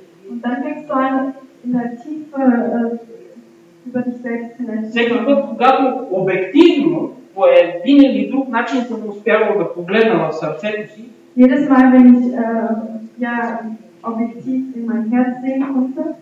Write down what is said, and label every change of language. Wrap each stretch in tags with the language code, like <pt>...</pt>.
<de>Und dann fängst du an, in der Tiefe über dich selbst zu lernen.</de> <bg>Всеки път, когато обективно по един или друг начин съм успявал да погледна в сърцето си,</bg> <de>jedes Mal, wenn ich ja, objektiv in mein Herz sehen konnte,</de>